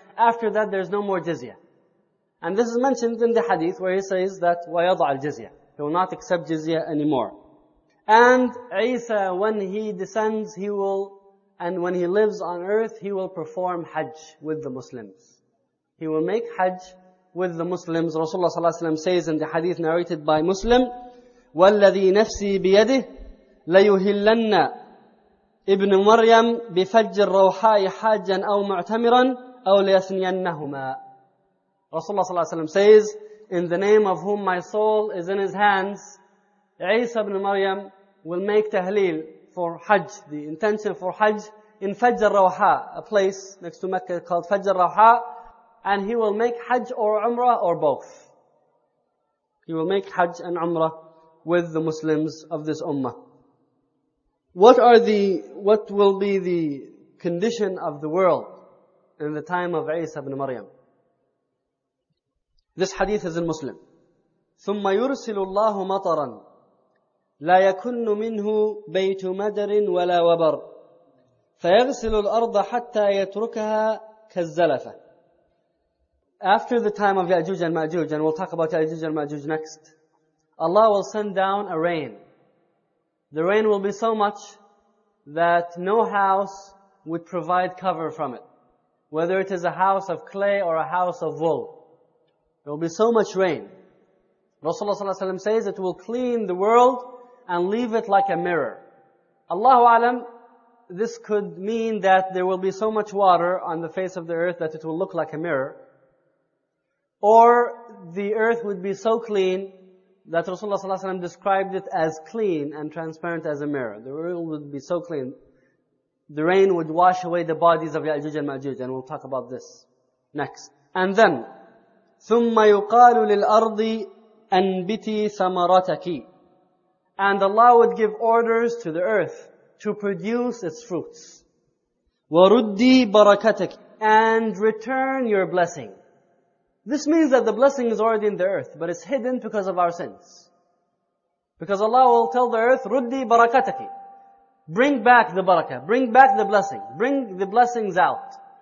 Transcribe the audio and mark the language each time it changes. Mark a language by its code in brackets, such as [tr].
[en] After that, there's no more jizya. And this is mentioned in the hadith where he says that [ar] وَيَضَعَ الْجِزْيَ. [en] He will not accept jizya anymore. And Isa, when he descends, he will, and when he lives on earth, he will perform hajj with the Muslims. He will make hajj with the Muslims. Rasulullah sallallahu alayhi wa sallam says in the hadith narrated by Muslim, [ar] وَالَّذِي نَفْسِي بِيَدِهِ لَيُهِلَّنَّ إِبْنُ مَرْيَمْ بِفَجِّ الرَّوْحَاءِ حَاجًا أَوْ مُعْتَمِرًا أَوْ لَيَثْنِيَنَّهُمَا. [en] Rasulullah sallallahu alayhi wa sallam says, in the name of whom my soul is in his hands, Isa ibn Maryam will make tahleel for hajj, the intention for hajj, in Fajr al-Rawha, a place next to Mecca called Fajr al-Rawha, and he will make hajj or umrah or both. He will make hajj and umrah with the Muslims of this ummah. What will be the condition of the world in the time of Isa ibn Maryam? This hadith is in Muslim. [ar] ثم يرسل الله مطرا لا يكن منه بيت مدر ولا وبر فيغسل الأرض حتى يتركها كالزلفة. [en] After the time of Ya'juj and Ma'juj, and we'll talk about Ya'juj and Ma'juj next, Allah will send down a rain. The rain will be so much that no house would provide cover from it, whether it is a house of clay or a house of wool. There will be so much rain. Rasulullah ﷺ says it will clean the world and leave it like a mirror. Allahu alam, this could mean that there will be so much water on the face of the earth that it will look like a mirror. Or the earth would be so clean that Rasulullah ﷺ described it as clean and transparent as a mirror. The world would be so clean. The rain would wash away the bodies of Ya'juj and Ma'juj. And we'll talk about this next. And then, [ar] ثُمَّ يُقَالُ لِلْأَرْضِ أَنْبِتِي ثَمَرَتَكِ. [en] And Allah would give orders to the earth to produce its fruits. [ar] وَرُدِّي بَرَكَتَكِ. [en] And return your blessing. This means that the blessing is already in the earth, but it's hidden because of our sins. Because Allah will tell the earth, [ar] رُدِّي بَرَكَتَكِ. [en] Bring back the barakah, bring back the blessing, bring the blessings out.